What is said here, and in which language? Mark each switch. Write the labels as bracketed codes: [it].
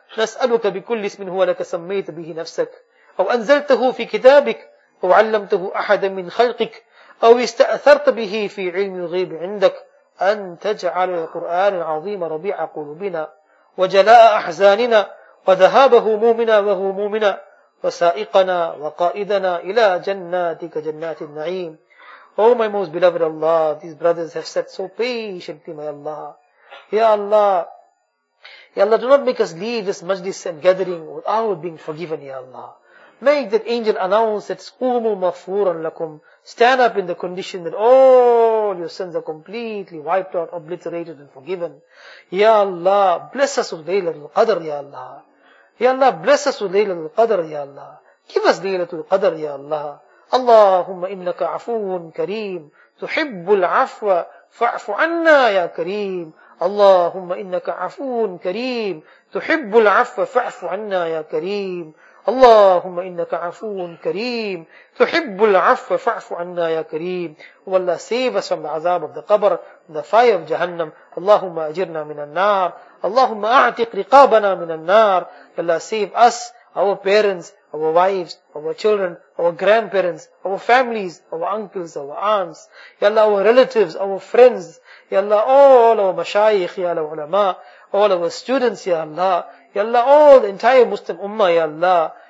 [ar] نسألك بكل اسم هو لك سميت به نفسك أو أنزلته في كتابك أو علمته أحدا من خلقك أو استأثرت به في علم الغيب عندك، أن تجعل القرآن العظيم ربيع قلوبنا وجلاء أحزاننا وذهاب همومنا وهمومنا وسائقنا وقائدنا إلى جناتك جنات النعيم. [en] Oh my most beloved Allah, these brothers have sat so patiently, my Allah. Ya Allah, Ya Allah, do not make us leave this majlis and gathering without being forgiven, Ya Allah. Make that angel announce that [ar] قُومُوا مَغْفُورًا لَكُمْ, [en] stand up in the condition that all your sins are completely wiped out, obliterated and forgiven. Ya Allah, bless us with Laylatul Qadr, Ya Allah. Ya Allah, bless us with Laylatul Qadr, Ya Allah. Give us Laylatul Qadr, Ya Allah. [ar] Allahumma innaka afuun kareem, tuhibbul afwa, fa'afu anna ya kareem. Allahumma innaka afuun kareem, tuhibbul afwa, fa'afu anna ya kareem. اللهم إنك عفو كريم تحب العفو فاعف عنا يا كريم. [en] والله save us from the عذاب of the قبر, the fire of جهنم. [ar] اللهم أجرنا من النار. اللهم أعتق رقابنا من النار. [en] الله save us, our parents, our wives, our children, our grandparents, our families, our uncles, our aunts, يا الله our relatives, our friends, يا الله all our مشايخ, يا الله علماء, all our students, يا الله, Ya Allah, all the entire Muslim Ummah, Ya Allah.